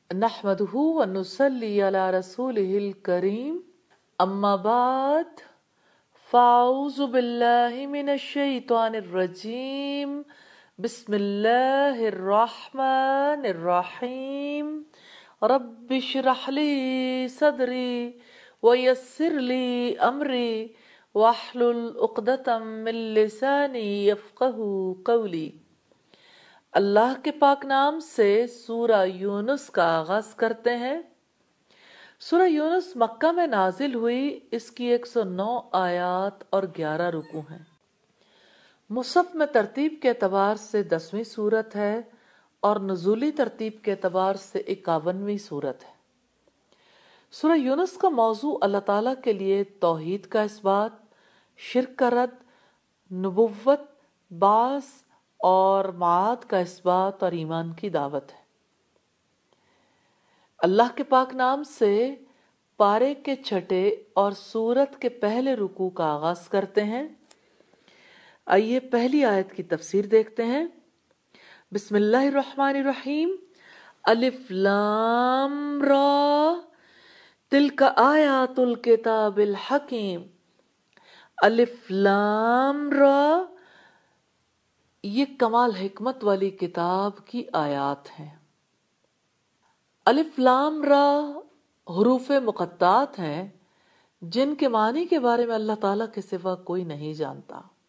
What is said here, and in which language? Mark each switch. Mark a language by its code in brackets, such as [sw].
[ar] نحمده ونصلي على رسوله الكريم أما بعد فأعوذ بالله من الشيطان الرجيم بسم الله الرحمن الرحيم رب اشرح لي صدري ويسر لي أمري واحلل عقدة من لساني يفقه قولي. [ur] اللہ کے پاک نام سے سورہ یونس کا آغاز کرتے ہیں. سورہ یونس مکہ میں نازل ہوئی, اس کی 109 آیات اور 11 رکوع ہیں. مصحف میں ترتیب کے اعتبار سے 10ویں سورت ہے اور نزولی ترتیب کے اعتبار سے 51ویں سورت ہے. سورہ یونس کا موضوع اللہ تعالیٰ کے لیے توحید کا اثبات, شرک کا رد, نبوت, باعث اور معاد کا اثبات اور ایمان کی دعوت ہے. اللہ کے پاک نام سے پارے کے چھٹے اور سورت کے پہلے رکوع کا آغاز کرتے ہیں. آئیے پہلی آیت کی تفسیر دیکھتے ہیں. [ar] بسم اللہ الرحمن الرحیم. الف لام را تلک آیات الکتاب الحکیم. [ur] الف لام را, یہ کمال حکمت والی کتاب کی آیات ہیں. الف لام را حروف مقطعات ہیں جن کے معنی کے بارے میں اللہ تعالیٰ کے سوا کوئی نہیں جانتا.